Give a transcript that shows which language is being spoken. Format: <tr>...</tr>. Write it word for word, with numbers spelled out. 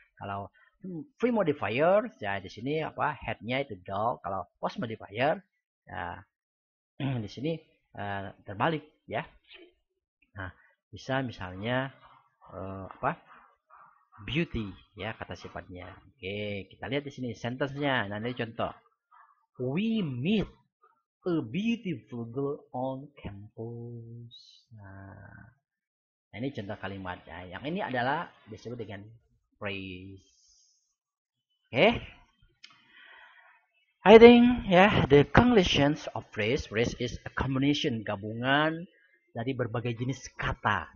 <id>Kalau pre-modifier, ya di sini apa headnya itu dog. Kalau post-modifier, ya, di sini uh, terbalik, ya. Nah, bisa misalnya uh, apa beauty, ya kata sifatnya. Oke, kita lihat di sini sentence-nya. Nah, ini contoh.</id> <en>We meet a beautiful girl on campus.</en> <id>Nah, ini contoh kalimatnya. Yang ini adalah disebut dengan phrase. Okay.</id> <en>I think yeah, the collections of phrase, phrase is a combination</en> <id>gabungan dari berbagai jenis kata.</id>